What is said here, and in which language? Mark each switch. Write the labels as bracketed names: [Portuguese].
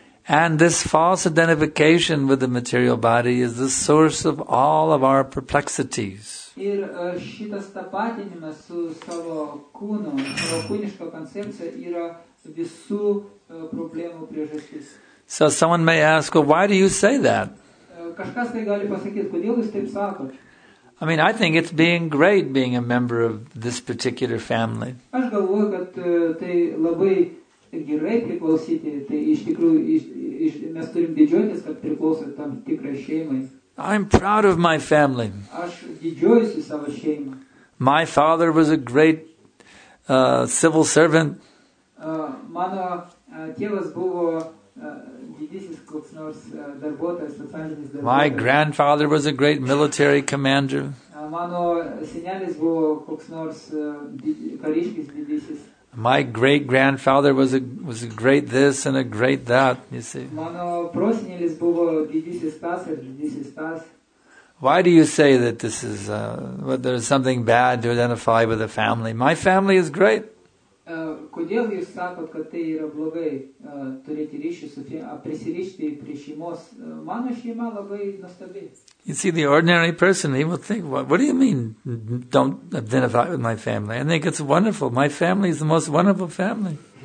[English] And this false identification with the material body is the source of all of our perplexities. [Lithuanian] Ir šitas tapatinimas su savo kūnu, savo kūniško koncepcija yra visų problemų priežastis. [English] So someone may ask, well, why do you say that? [Lithuanian] Kažkas tai gali pasakyti, kodėl jūs taip sakot? [English] I mean, I think it's being great being a member of this particular family. [Lithuanian] Aš galvoju, kad tai labai gerai priklausyti, tai iš tikrųjų mes turim didžiuotis, kad priklausyti tam tikrai šeimai. [English] I'm proud of my family. [Lithuanian] Aš didžiuojuosi savo šeima. [English] My father was a great civil servant. [Lithuanian] Mano tėvas buvo didysis koks nors darbuotojas, socialinis darbuotojas. [English] My grandfather was a great military commander. [Lithuanian] Mano senelis buvo koks nors kariškis didysis. [English] My great grandfather was a great this and a great that, you see. [Lithuanian] Mano prosenelis buvo didysis tas ir didysis tas. [English] Why do you say that this is there's something bad to identify with a family? My family is great. [Lithuanian] Kodėl jūs sakot, kad tai yra blogai turėti ryšį su prisirišti prie šeimos? Mano šeima labai nuostabi. [English] You see, the ordinary person, he will think, what do you mean, don't identify with my family? I think it's wonderful. My family is the most wonderful family.